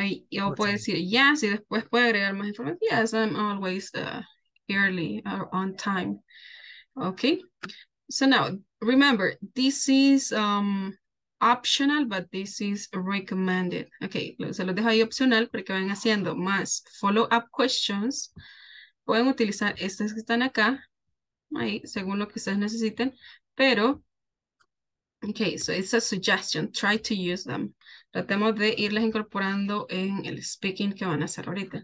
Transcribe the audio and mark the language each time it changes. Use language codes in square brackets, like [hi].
[es] Yo puedo decir yes y después puede agregar más información. [en] Yes, I'm always early or on time. Okay, so now remember, this is optional, but this is recommended. [es] Okay, se lo dejo ahí opcional porque van haciendo más follow-up questions. Pueden utilizar estas que están acá, ahí, según lo que ustedes necesiten, pero, okay, [en] so it's a suggestion, try to use them. [es] Tratemos de irlas incorporando en el speaking que van a hacer ahorita.